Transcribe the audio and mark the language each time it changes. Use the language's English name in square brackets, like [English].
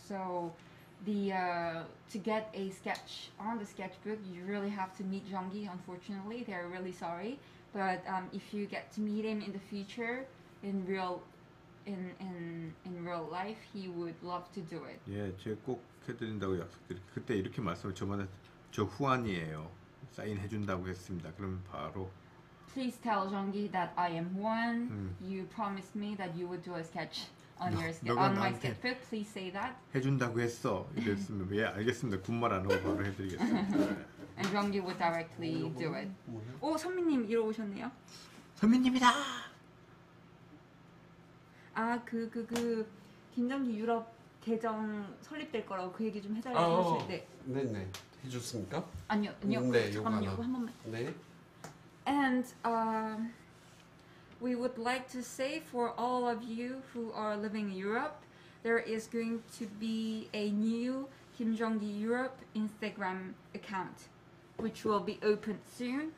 [English] So the to get a sketch on the sketchbook, you really have to meet Zhongyi. Unfortunately, they're really sorry. But if you get to meet him in the future, in real life, he would love to do it. [Korean] 예, 제가 꼭 해드린다고 약속드릴게요. 그때 이렇게 말씀을 저만 저 후안이에요. 사인 해준다고 했습니다. 그러면 바로. [English] Please tell Zhongyi that I am Juan. You promised me that you would do a sketch on your on my sketchbook. Please say that. [Korean] 해준다고 했어. 이랬으면 예 알겠습니다. 군말 안 하고 바로 해드리겠습니다. [English] And Zhongyi would directly do it. [Korean] 오 선미님 이리 오셨네요. 선미님이다. 아 그 김정기 유럽 계정 설립될 거라고 그 얘기 좀 해달라고 하셨을 때. 네네 해줬습니까? 아니요. 네 요거 한 번만. 네. [English] And we would like to say for all of you who are living in Europe, there is going to be a new Kim Jong-gi Europe Instagram account, which will be opened soon.